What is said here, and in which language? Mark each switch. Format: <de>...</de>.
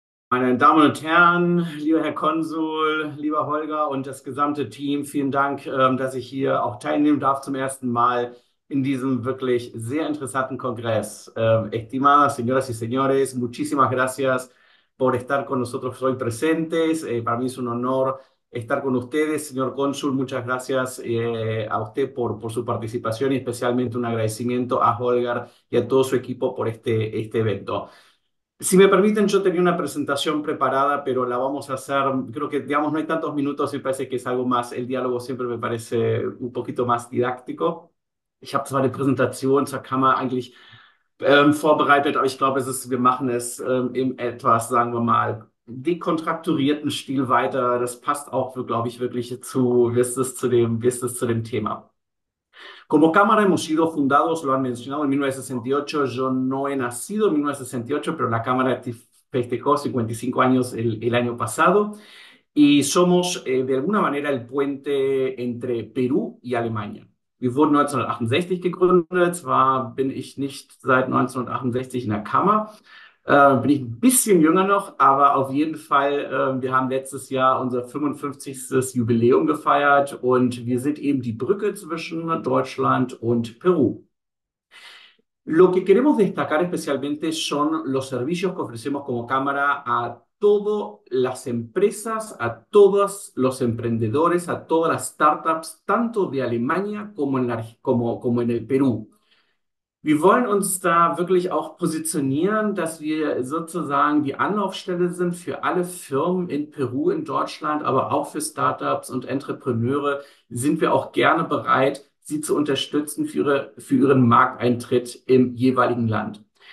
<de>Meine Damen und Herren, lieber Herr Konsul, lieber Holger und das gesamte Team, vielen Dank, dass ich hier auch teilnehmen darf zum ersten Mal in diesem wirklich sehr interessanten Kongress.</de> <es>Estimadas, señoras y señores, muchísimas gracias por estar con nosotros hoy presentes. Para mí es un honor estar con ustedes, señor Cónsul. Muchas gracias a usted por su participación y especialmente un agradecimiento a Holger y a todo su equipo por este evento. Si me permiten, yo tenía una presentación preparada, pero la vamos a hacer, creo que, digamos, no hay tantos minutos y parece que es algo más, el diálogo siempre me parece un poquito más didáctico.</es> <de>Ich habe zwar die Präsentation zur Kammer eigentlich vorbereitet, aber ich glaube, wir machen es in etwas, sagen wir mal, dekontrakturierten Stil weiter. Das passt auch, glaube ich, wirklich zu, zu dem Thema.</de> <es>Como Cámara hemos sido fundados, lo han mencionado, en 1968. Yo no he nacido en 1968, pero la Cámara festejó 55 años el año pasado. Y somos, de alguna manera, el puente entre Perú y Alemania.</es> <de>Wir wurden 1968 gegründet. Zwar bin ich nicht seit 1968 in der Kammer, bin ich ein bisschen jünger noch, aber auf jeden Fall, wir haben letztes Jahr unser 55. Jubiläum gefeiert und wir sind eben die Brücke zwischen Deutschland und Peru.</de> <es>Lo que queremos destacar especialmente son los servicios que ofrecemos como Cámara a todas las empresas, a todos los emprendedores, a todas las startups, tanto de Alemania como como en el Perú.</es> <de>Wir wollen uns da wirklich auch positionieren, dass wir sozusagen die Anlaufstelle sind für alle Firmen in Peru, in Deutschland, aber auch für Startups und Entrepreneure. Sind wir auch gerne bereit, sie zu unterstützen für ihren Markteintritt im jeweiligen Land.</de>